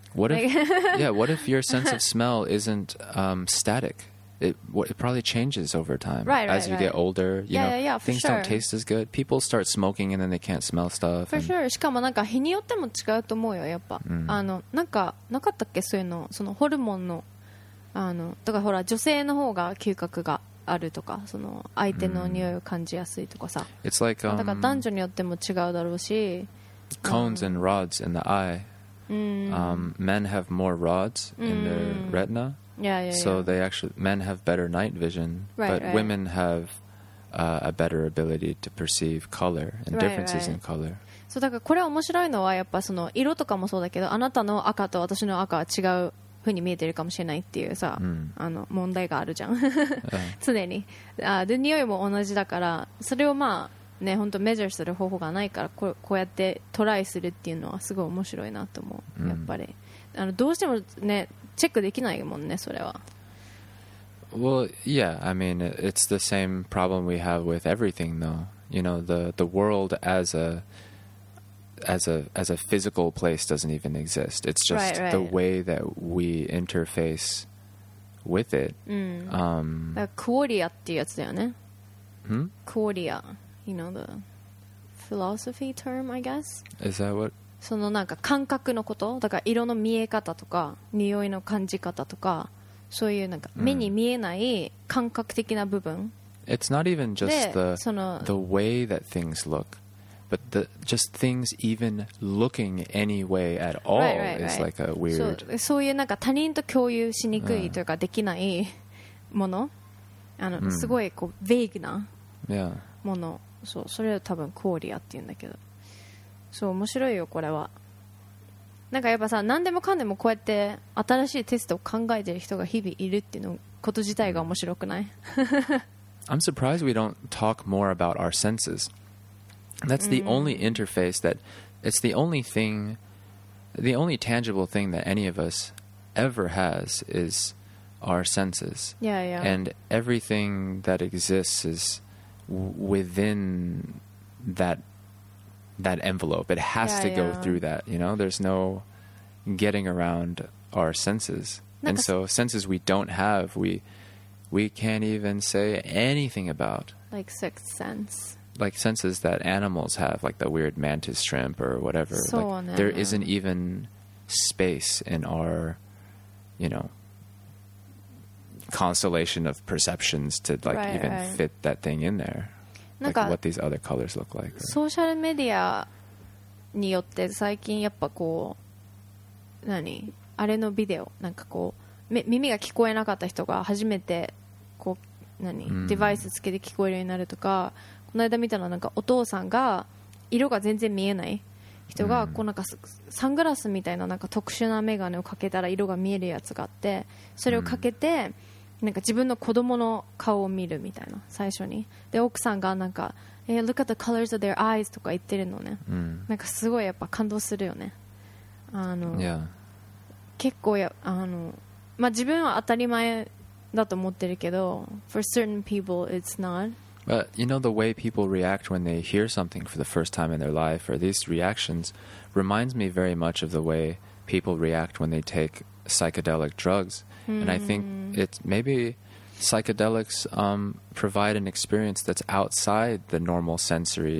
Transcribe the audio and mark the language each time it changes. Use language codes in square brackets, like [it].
[en] What if your sense of smell isn't static? It probably changes over time. Right, as you get older, things don't taste as good. People start smoking and then they can't smell stuff. For sure. [ja] しかもなんか日によっても違うと思うよ、やっぱ。なんかなかったっけ、そういうの、そのホルモンの、だからほら、女性の方が嗅覚があるとか、その相手の匂いを感じやすいとかさ。 [en] It's like, [ja] だから男女によっても違うだろうし。 [en] Cones and rods in the eye. Men have more rods in their retina. Men have better night vision, but women have a better ability to perceive color and differences in color. [ja] そう、だからこれ面白いのはやっぱその色とかもそうだけど、あなたの赤と私の赤は違う風に見えてるかもしれないっていうさ、問題があるじゃん。常に。で、匂いも同じだから、それをまあね、本当メジャーする方法がないから、こうやってトライするっていうのはすごい面白いなと思う。やっぱり。どうしてもね、チェックできないもんね、それは。 [en] Well, yeah, I mean, it's the same problem we have with everything, though. You know, the world as a physical place doesn't even exist. It's just right. The way that we interface with it. [ja] Quoria っていうやつだよね。 [en] Quoria, you know, the philosophy term, I guess. Is that what... [ja] そのなんか感覚のこと、だから色の見え方とか匂いの感じ方とか、そういうなんか目に見えない感覚的な部分。 [en] It's not even just the way that things look, but the just things even looking any way at all is like a weird. [ja] そういうなんか他人と共有しにくいというかできないもの、すごいこう vague なもの、そう、それは多分クオリアって言うんだけど。そう、面白いよこれは。なんかやっぱさ、何でもかんでもこうやって新しいテストを考えてる人が日々いるっていうのこと自体が面白くない。 [en] I'm surprised we don't talk more about our senses. That's the only interface that it's the only thing, the only tangible thing that any of us ever has is our senses. Yeah, yeah. And everything that exists is within that. that envelope. It has to go through that, you know? There's no getting around our senses. And so senses we don't have, we can't even say anything about. Like sixth sense. Like senses that animals have, like the weird mantis shrimp or whatever. So like, there isn't even space in our, you know, constellation of perceptions to like fit that thing in there. Like what these other colors look like. [ja] ソーシャルメディアによって最近やっぱこう何あれのビデオなんかこう耳が聞こえなかった人が初めてこう何、デバイスつけて聞こえるようになるとか、この間見たのはなんかお父さんが色が全然見えない人がこうなんかサングラスみたい なんか特殊な眼鏡をかけたら色が見えるやつがあって、それをかけてなんか自分の子供の顔を見るみたいな最初に、で奥さんがなんか、 [en] hey, look at the colors of their eyes [ja] とか言ってるのね、なんかすごいやっぱ感動するよね、あの、結構やあの、まあ、自分は当たり前だと思ってるけど [en] for certain people it's not But, you know, the way people react when they hear something for the first time in their life, or these reactions, reminds me very much of the way people react when they take psychedelic drugs. And I think it's maybe psychedelics provide an experience that's outside the normal sensory.